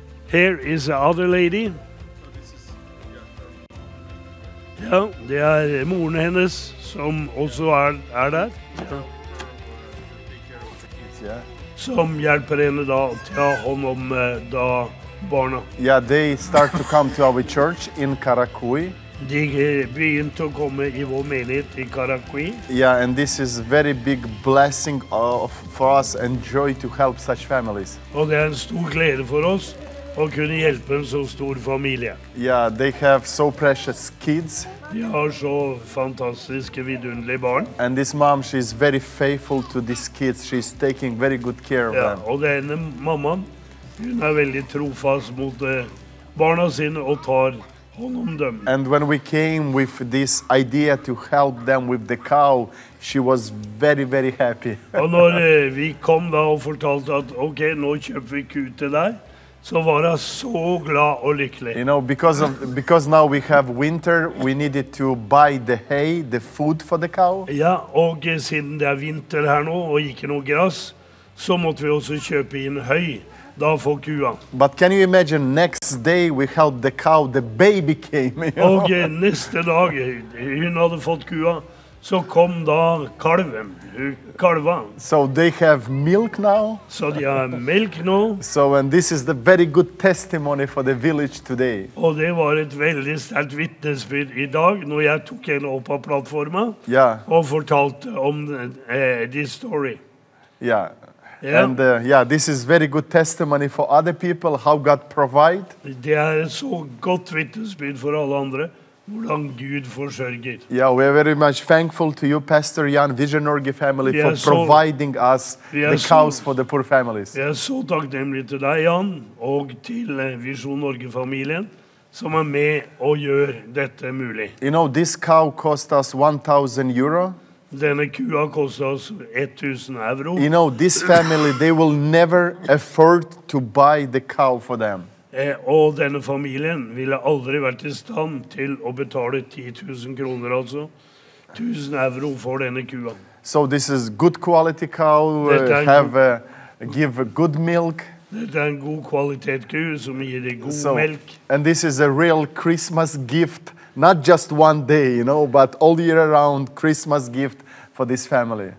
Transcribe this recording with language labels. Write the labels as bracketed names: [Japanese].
[English] Here is the other lady. [Norwegian] Ja, det moren hennes som også der. Ja. Som hjelper henne da å ta hånd om da barna. [English] Yeah, they start to come to our church in Karakui. [Norwegian] De begynte å komme i vår menighet i Karakui. [English] Yeah, and this is very big blessing for us and joy to help such families. [Norwegian] Og det en stor glede for oss å kunne hjelpe en så stor familie. [English] Yeah, they have so precious kids. [Norwegian] De har så fantastiske, vidunderlige barn. [English] And this mom, she is very faithful to these kids. She is taking very good care of them. [Norwegian] Og denne mamma, hun veldig trofast mot barna sine og tar honomdöme. [English] And when we came with this idea to help them with the cow, she was very, very happy. [Swedish] Och när vi kom då och fortalte att okej, nu köper vi ku till dig, så var hon så glad och lycklig. [English] You know, because now we have winter, we needed to buy the hay, the food for the cow. [Swedish] Ja, och sedan det är vinter här nu och inte något gräs, så måste vi också köpa in hay. [English] But can you imagine next day we helped the cow, the baby came. [Swedish] Och nästa dag hon hade fått kua, så kom då kalven, kalvan. [English] So they have milk now. [Swedish] Så de har mjölk nu. [English] So and this is the very good testimony for the village today. [Swedish] Och det var ett väldigt starkt vittnesbörd idag när jag tog henne upp på plattformen. Ja. Och fortalte om [English] this story. Ja. Yeah. And this is very good testimony for other people how God provide. [Swedish] Det är så gott vittnesbörd för alla andra hur Gud försörjer. [English] Yeah, we are very much thankful to you Pastor Jan Vision Norge family for providing us the cows for the poor families. [Swedish] Jag är så tacksamlig till dig Jan och till Vision Norge familjen som är med och gör detta möjligt. [English] You know this cow cost us 1000 euro. [Swedish] Denna kua kostar oss 1000 euro. [English] You know, this family, they will never afford to buy the cow for them. [Swedish] Och denna familjen ville aldrig varit i stand till att betala 10000 kronor alltså. 1000 euro för denna kua. [English] So this is good quality cow, have give good milk. [Swedish] Det är en god kvalitet ku som ger dig god mjölk. [English] And this is a real Christmas gift. Not just one day, you know, but all year round, Christmas gift for this family.